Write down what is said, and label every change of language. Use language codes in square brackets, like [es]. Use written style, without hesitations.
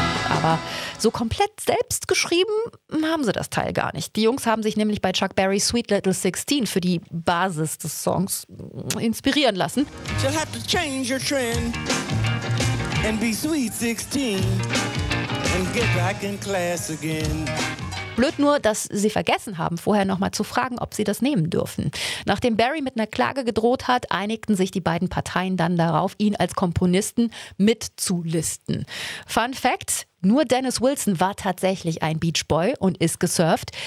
[de] Aber so komplett selbst geschrieben haben sie das Teil gar nicht. Die Jungs haben sich nämlich bei Chuck Berry's Sweet Little 16 für die Basis des Songs inspirieren lassen. [en] You'll have to change your trend and be sweet 16 and get back in class again. [de] Blöd nur, dass sie vergessen haben, vorher nochmal zu fragen, ob sie das nehmen dürfen. Nachdem Barry mit einer Klage gedroht hat, einigten sich die beiden Parteien dann darauf, ihn als Komponisten mitzulisten. Fun Fact, nur Dennis Wilson war tatsächlich ein Beach Boy und ist gesurft.